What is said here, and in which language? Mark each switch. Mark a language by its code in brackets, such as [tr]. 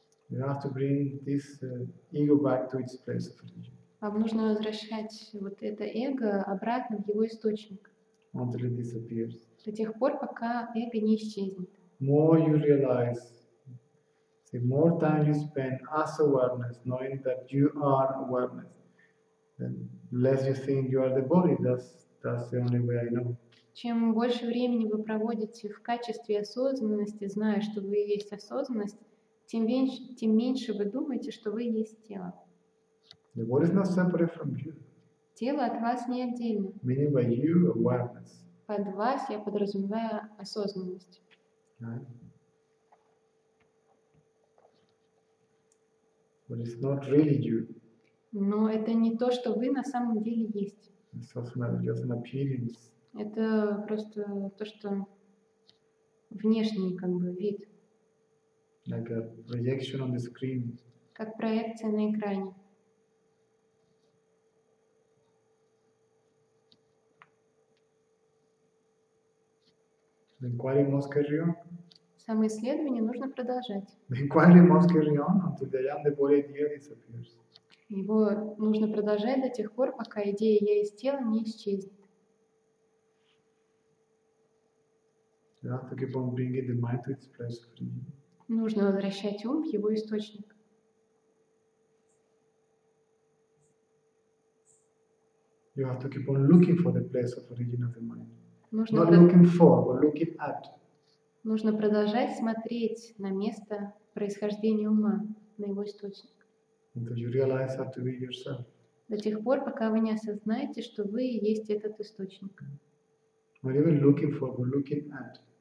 [en] You have to bring this ego back to its place of origin. [ru] Вам нужно возвращать вот это эго обратно в его источник. [en] Until it disappears. [ru] До тех пор, пока эго не исчезнет. [en] More you realize, the more time you spend as awareness, knowing that you are awareness, then less you think you are the body, that's the only way I know. [ru] Чем больше времени вы проводите в качестве осознанности, зная, что вы есть осознанность, тем меньше вы думаете, что вы есть тело. [en] The body is not separate from you. [ru] Тело от вас не отдельно. [en] Meaning by you, awareness. [ru] Под вас я подразумеваю осознанность. [en] But it's not really you. [ru] Но это не то, что вы на самом деле есть. [en] It's also just an appearance. [ru] Это просто то, что внешний как бы вид. [en] Like a projection on the screen. [ru] Как проекция на экране. [en] The inquiry must carry on. [ru] Само исследование нужно продолжать. [en] The inquiry must carry on until the land of body idea disappears. [ru] Его нужно продолжать до тех пор, пока идея «я из тела» не исчезнет. [en] You have to keep on bringing the mind to its place for you. [ru] Нужно возвращать ум в его источник. [en] You have to keep on looking for the place of origin of the mind. Not looking for, but looking at. [ru] Нужно продолжать смотреть на место происхождения ума, на его источник. [en] Until you realize that to be yourself. [ru] До тех пор, пока вы не осознаете, что вы и есть этот источник. [en] Not even looking for, but looking at.